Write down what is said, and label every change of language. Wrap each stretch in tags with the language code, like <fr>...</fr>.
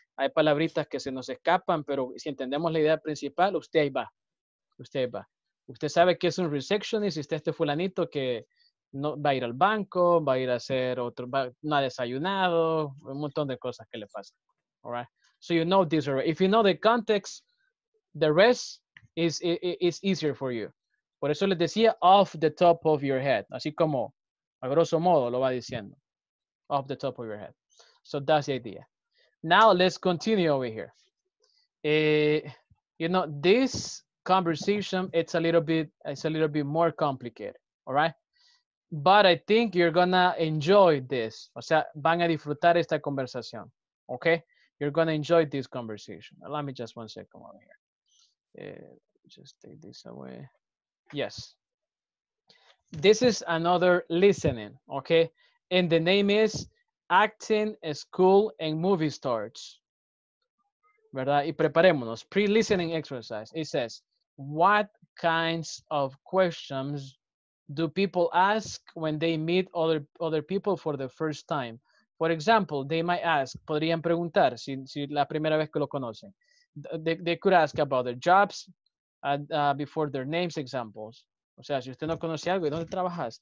<es>Hay palabritas que se nos escapan, pero si entendemos la idea principal, usted ahí va. Usted sabe que es un receptionist, usted este fulanito que no, va a ir al banco, va a ir a hacer otro, va, no ha desayunado, un montón de cosas que le pasan.</es> <en>All right? So you know this already. If you know the context, the rest is easier for you.</en> <es>Por eso les decía,</es> <en>off the top of your head.</en> <es>Así como, a grosso modo, lo va diciendo.</es> <en>Off the top of your head. So that's the idea. Now let's continue over here. You know, this conversation, it's a little bit more complicated, all right? But I think you're gonna enjoy this.</en> <es>O sea, van a disfrutar esta conversación, okay?</es> <en>You're gonna enjoy this conversation. Let me just 1 second over here. Just take this away. Yes. This is another listening, okay? And the name is Acting, School, and Movie Stars. ¿Verdad?</en> <es>Y preparémonos.</es> <en>Pre-listening exercise. It says, what kinds of questions do people ask when they meet other people for the first time? For example, they might ask,</en> <es>podrían preguntar, si la primera vez que lo conocen.</es> <en>They could ask about their jobs before their names, examples.</en> <es>O sea, si usted no conoce algo, ¿y dónde trabajas?</es>